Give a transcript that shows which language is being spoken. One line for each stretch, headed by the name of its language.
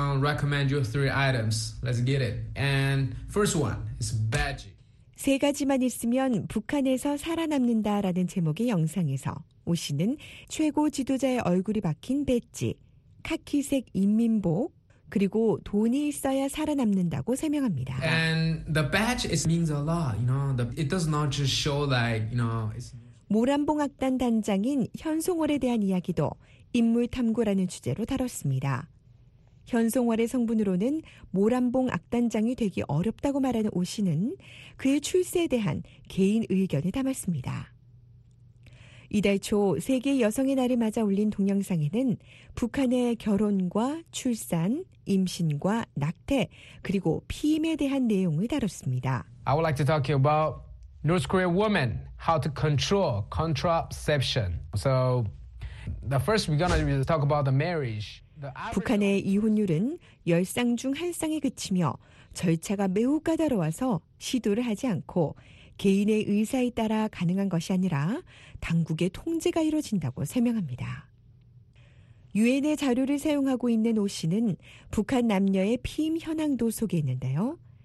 English: Recommend you three items. Let's get it. And first one is badge.
Korean: 세 가지만 있으면 북한에서 살아남는다라는 제목의 영상에서 오 씨는 최고 지도자의 얼굴이 박힌 배지, 카키색 인민복, 그리고 돈이 있어야 살아남는다고 설명합니다.
English: And the badge is means a lot, you know. It does not just show like, you know, it's
Korean: 모란봉악단 단장인 현송월에 대한 이야기도 인물탐구라는 주제로 다뤘습니다. 현송월의 성분으로는 모란봉악단장이 되기 어렵다고 말하는 오 씨는 그의 출세에 대한 개인 의견을 담았습니다. 이달 초 세계 여성의 날을 맞아 올린 동영상에는 북한의 결혼과 출산, 임신과 낙태, 그리고 피임에 대한 내용을 다뤘습니다.
English: I would like to talk about North Korean woman, how to control contraception. So, the first we're gonna talk about the marriage.
Korean: 북한의 이혼율은 10쌍 중 1쌍에 그치며 절차가 매우 까다로워서 시도를 하지 않고 개인의 의사에 따라 가능한 것이 아니라 당국의 통제가 이루어진다고 설명합니다. 유엔의 자료를 사용하고 있는 오 씨는 북한 남녀의 피임 현황도 소개했는데요.